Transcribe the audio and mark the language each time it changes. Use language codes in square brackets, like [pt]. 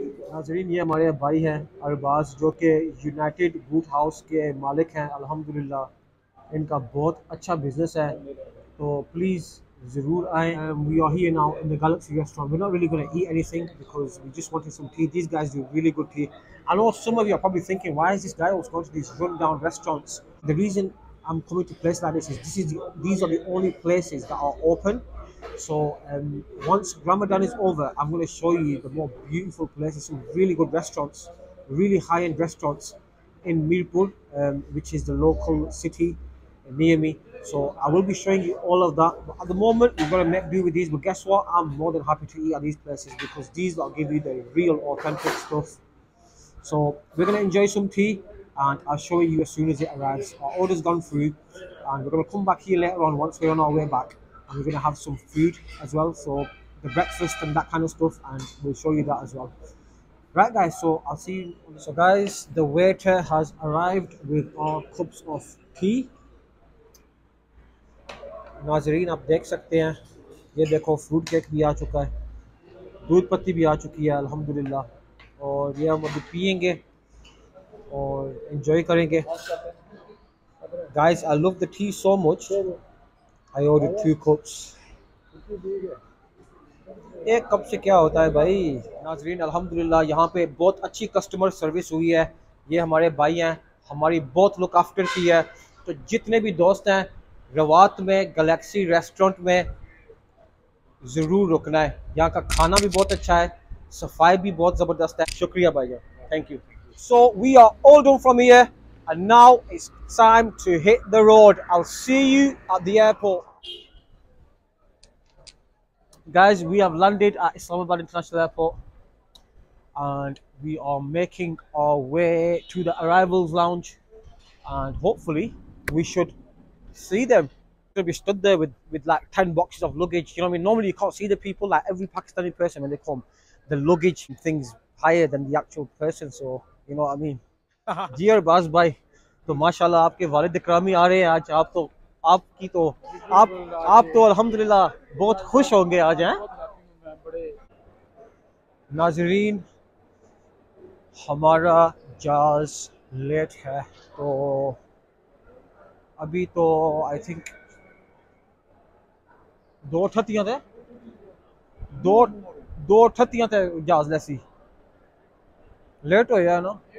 [hi] नाजरीन ये हमारे भाई हैं अरबाज, जो कि यूनाइटेड बूट हाउस के मालिक हैं अल्हम्दुलिल्लाह. इनका बहुत अच्छा बिजनेस है, तो प्लीज़ ज़रूर आए. [en] We are here now in the Galaxy restaurant. We not really gonna eat anything because we just wanted some tea. These guys do really good tea. I know some of you are probably thinking why is this guy also going to this run down restaurants. The reason I'm coming to a place like this. These are the only places that are open. So once Ramadan is over, I'm going to show you the more beautiful places, some really good restaurants, really high-end restaurants in Mirpur, which is the local city near me. So I will be showing you all of that. But at the moment, we're going to make do with these. But guess what? I'm more than happy to eat at these places because these will give you the real authentic stuff. So we're going to enjoy some tea. And I'll show you as soon as it arrives. Our order's gone through, and we're gonna come back here later on once we're on our way back, and we're gonna have some food as well, so the breakfast and that kind of stuff, and we'll show you that as well. Right, guys. So I'll see you. So, guys, the waiter has arrived with our cups of tea. [hi] Nazreen, आप देख सकते हैं, ये देखो fruit cake भी आ चुका है, दूध पत्ती भी आ चुकी है, अल्हम्दुलिल्लाह. और ये हम अभी पियेंगे और एंजॉय करेंगे. [en] Guys I love the tea so much, I order two cups. [hi] एक कप से क्या होता है भाई. नाजरीन अल्हम्दुलिल्लाह यहाँ पे बहुत अच्छी कस्टमर सर्विस हुई है. ये हमारे भाई हैं, हमारी बहुत लुक आफ्टर की है. तो जितने भी दोस्त हैं रवात में गैलेक्सी रेस्टोरेंट में ज़रूर रुकना है. यहाँ का खाना भी बहुत अच्छा है, सफाई भी बहुत ज़बरदस्त है. शुक्रिया भाई जान, thank you. [en] So we are all done from here, and now it's time to hit the road. I'll see you at the airport. Guys, we have landed at Islamabad International Airport, and we are making our way to the arrivals lounge, and hopefully we should see them. We're gonna be stood there with like 10 boxes of luggage, you know what I mean? Normally you can't see the people, like every Pakistani person when they come, the luggage and things higher than the actual person, so you know what I mean. [hi] जी अरबाज भाई, तो माशाल्लाह आपके वालिद इकरामी आ रहे हैं आज. आप तो अल्हम्दुलिल्लाह बहुत खुश होंगे आज. हैं नाजरीन, हमारा जहाज लेट है, तो अभी तो [en] I think [hi] दो ठतियां थे जहाज लेसी लेट हो गया ना.